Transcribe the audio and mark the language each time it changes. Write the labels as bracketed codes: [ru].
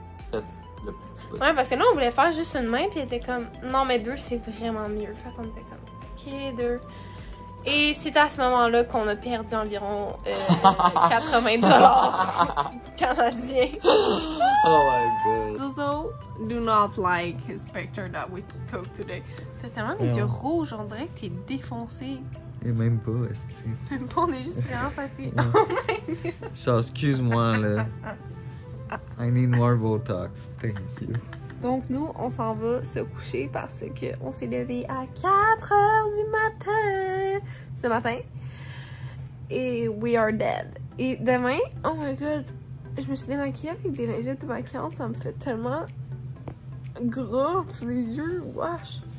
[fr] fait le plus possible. Ouais, parce que là, on voulait faire juste une main, puis elle était comme, non, mais deux, c'est vraiment mieux. Fait qu'on était comme, ok, deux. Et c'est à ce moment-là qu'on a perdu environ 80$ canadiens. [en] Oh my god. Zozo, do not like his picture that we took today. [fr] T'as tellement les yeux rouges, on dirait que t'es défoncé. Et même pas, est-ce que c'est... Même pas, on est juste vraiment fatigué. [en] Oh my god. [fr] Ça, excuse-moi, là. [en] I need more Botox, thank you. [fr] Donc nous, on s'en va se coucher parce qu'on s'est levé à 4h du matin, ce matin, et [en] we are dead. [fr] Et demain, [en] oh my god, [fr] je me suis démaquillée avec des lingettes de maquillante, ça me fait tellement gras sous les yeux, wesh.